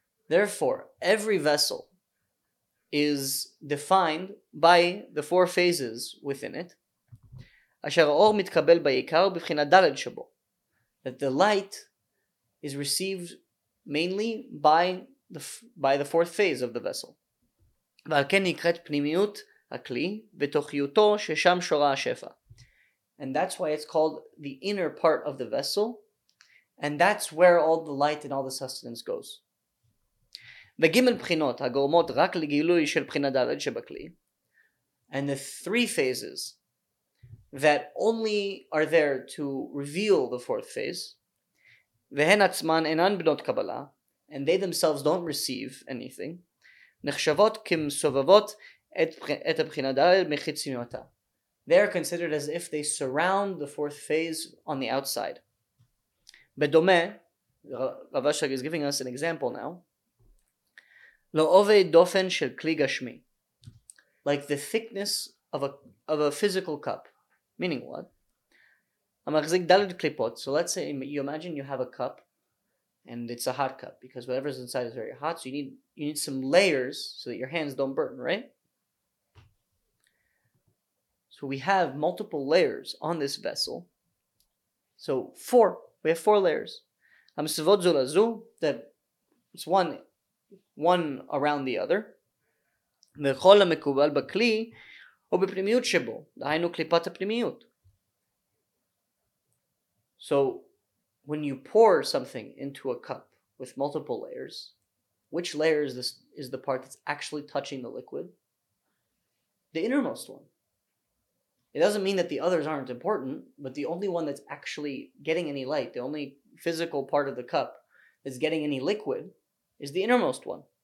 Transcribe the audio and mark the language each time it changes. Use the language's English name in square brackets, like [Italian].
[English] Therefore, every vessel is defined by the four phases within it. [Hebrew] Asher ha'or mitkabel b'yikar b'chinat dalet shebo. [English] That the light is received mainly by the fourth phase of the vessel. [Hebrew] ועל כן נקראת פנימיות הכלי ותוכיותו ששם שורה השפע. [English] And that's why it's called the inner part of the vessel, and that's where all the light and all the sustenance goes. [Hebrew] וגימל בחינות הגורמות רק לגילוי של בחינה דלת שבכלי. [English] And the three phases that only are there to reveal the fourth phase. [Hebrew] והן עצמן אינן בנות קבלה. [English] And they themselves don't receive anything. [Hebrew] נחשבות כמסובבות את הבחינה דלת מחיצוניותה. [English] They are considered as if they surround the fourth phase on the outside. [Hebrew] בדומה, [English] רב אשר is giving us an example now, [Hebrew] לאובי דופן של כלי גשמי. [English] Like the thickness of a physical cup. Meaning what? [Hebrew] המחזיק דלת קליפות. [English] So let's say you imagine you have a cup, and it's a hot cup, because whatever is inside is very hot, so you need some layers so that your hands don't burn, right? So we have multiple layers on this vessel. So we have four layers. [Hebrew] המסבות זו לזו, [English] that it's one around the other. [Hebrew] וכל המקובל בכלי או בפנימיות שבו, דהיינו קליפת הפנימיות. [English] So when you pour something into a cup with multiple layers, which layer is the part that's actually touching the liquid? The innermost one. It doesn't mean that the others aren't important, but the only one that's actually getting any light, the only physical part of the cup that's getting any liquid, is the innermost one.